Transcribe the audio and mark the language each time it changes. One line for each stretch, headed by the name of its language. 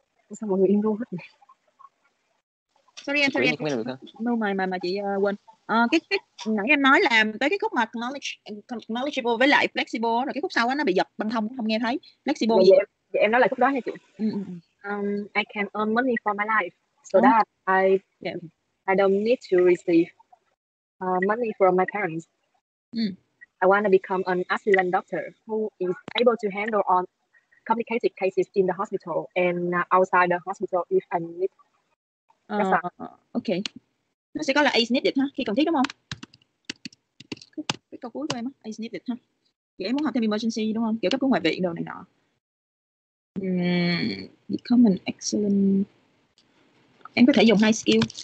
Vietnamese: Sao mọi người im luôn hết nhỉ?
English: Sorry. No, my
Vietnamese: chị quên. Cái nãy em nói là tới cái khúc mà knowledgeable với lại flexible rồi cái khúc sau á nó bị giật băng thông không nghe thấy flexible vậy em nói là khúc đó nha chị.
English: I can earn money for my life so that I don't need to receive money from my parents. I want to become an excellent doctor who is able to handle on complicated cases in the hospital and outside the hospital if I need. Okay.
Vietnamese: Nó sẽ có là
English: is needed
Vietnamese: ha, khi cần thiết đúng không? Cái câu cuối của em á,
English: is needed
Vietnamese: ha. Vậy em muốn học thêm emergency đúng không? Kiểu cấp cứu ngoại viện đồ này nọ.
English: Become an excellent.
Vietnamese: Em có thể dùng hai skill.